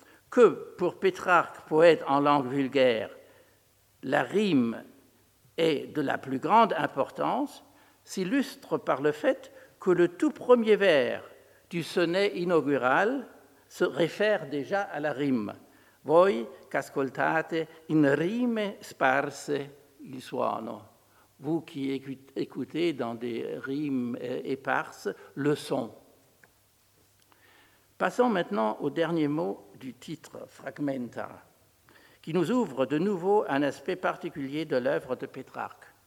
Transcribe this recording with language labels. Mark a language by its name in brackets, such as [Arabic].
[French] Que, pour Pétrarque, poète en langue vulgaire, la rime est de la plus grande importance, s'illustre par le fait que le tout premier vers du sonnet inaugural se réfère déjà à la rime. [Italian] Voi ch'ascoltate in rime sparse il suono. [French] Vous qui écoutez dans des rimes éparses le son. Passons maintenant au dernier mot du titre, fragmenta, qui nous ouvre de nouveau un aspect particulier de l'œuvre de Pétrarque.